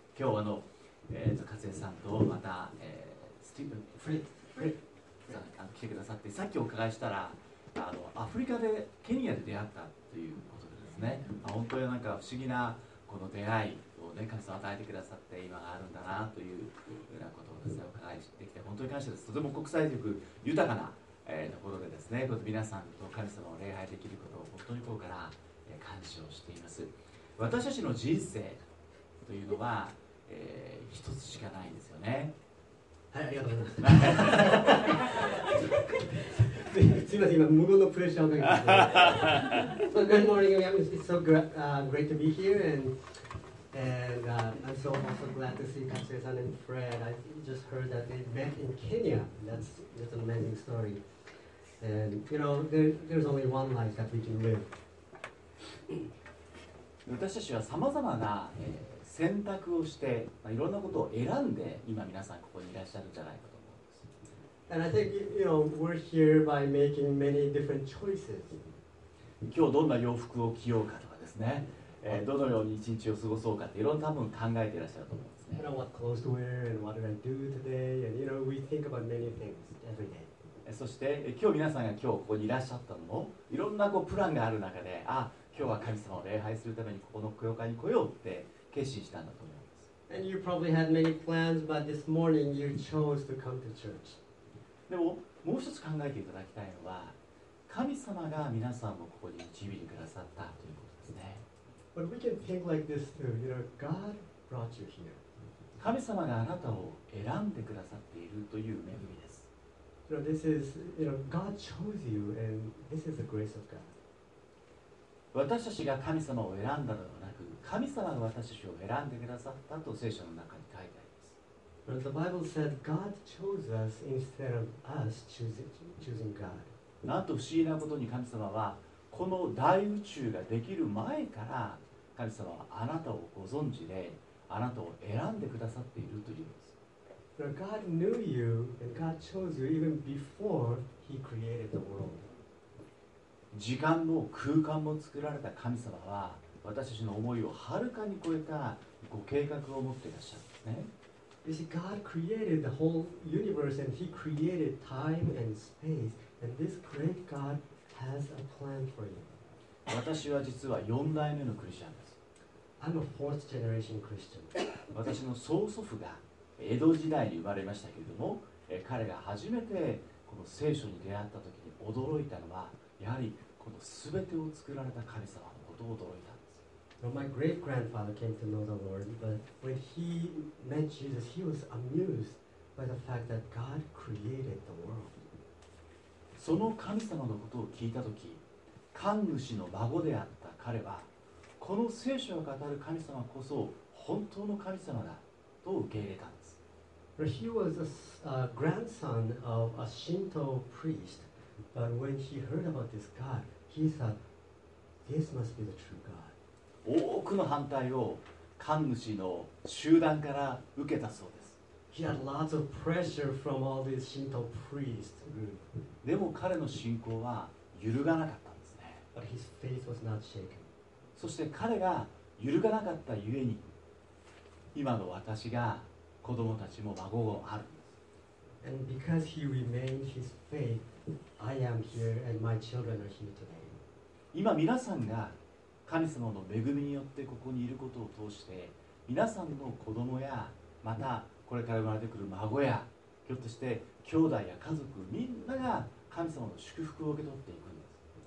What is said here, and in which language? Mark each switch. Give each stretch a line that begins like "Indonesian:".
Japanese: 今日カツエさんとまた、スティーブン・フレッドさん来てくださって、さっきお伺いしたらアフリカでケニアで出会ったということでですね、本当になんか不思議なこの出会いをね、カツエさん与えてくださって今があるんだなというようなことをですね、お伺いしてきて本当に感謝です。とても国際力豊かなところでですね、皆さんと神様を礼拝できることを本当に心から感謝をしています。私たちの人生というのは、一つしかないんですよね。はい、ありがとうございます。すいません、今無言のプレッシャーをかけてます。
English: Good morning, it's so great to be here and I'm so glad to see Katsue-san and Fred. I just heard that they met in Kenya. That's an amazing story. And you know, there's only one life that we can live.
Japanese: 私たちはさまざまな、選択をして、いろんなことを選んで、今皆さんここにいらっしゃるんじゃないかと思うんです。
English: And I think you know, we're here by making many different choices.
Japanese: 今日どんな洋服を着ようかとかですね、どのように一日を過ごそうかっていろんな多分考えていらっしゃると思うんですね。
English: You know, what clothes to wear and what did I do today? And you know, we think about many things every day.
Japanese: そして今日皆さんが今日ここにいらっしゃったのもいろんなこうプランがある中で、あ、今日は神様を礼拝するためにここの教会に来ようって決心したんだと思います。
English: And you probably had many plans, but this morning you chose to come to church.
Japanese: でももう一つ考えていただきたいのは、神様が皆さんをここに導いてくださったということですね。
English: But we can think like this too. You know, God brought you here.
Japanese: 神様があなたを選んでくださっているという恵みです。
English: You know, this is, you know, God chose you, and this is the grace of God.
Japanese: 私たちが神様を選んだのではなく、神様が私たちを選んでくださったと聖書の中に書いてあります。
English: But the Bible said God chose us instead of us choosing God.
Japanese: なんと不思議なことに神様は、この大宇宙ができる前から、神様はあなたをご存知で、あなたを選んでくださっているというんです。
English: God knew you and God chose you even before He created the world. 時間も空間も作られた神様は、私たちの思いをはるかに超えたご計画を持っていらっしゃるんですね。 You see, God created the whole universe and He created time and space. And this great God has a plan for you.
Japanese: 私は実は4代目のクリスチャンです。
English: I'm a fourth generation Christian.
Japanese: 私の曽祖父が江戸時代に生まれましたけれども、彼が初めてこの聖書に出会った時に驚いたのは、やはりこの全てを作られた神様のことを驚いたんです。
English: Well, my great grandfather came to know the Lord, but when he met Jesus, he was amused by the fact that God created the world.
Japanese: その神様のことを聞いた時、神主の孫であった彼は、この聖書を語る神様こそ本当の神様だと受け入れたんです。
English: He was a grandson of a Shinto priest, but when he heard about this God, he thought, "This must be the true God."
Japanese: 多くの反対を神主の集団から受けたそうです。
English: He had lots of pressure from all these Shinto priest group.
Japanese: でも彼の信仰は揺るがなかったんですね。
English: But his faith was not shaken.
Japanese: そして彼が揺るがなかったゆえに、今の私が子供たちも孫もあるんです。
English: And because he remained his faith, I am here and my children are here today.
Japanese: 今皆さんが神様の恵みによってここにいることを通して、皆さんの子供やまたこれから生まれてくる孫やひょっとして兄弟や家族みんなが神様の祝福を受け取っていくんです。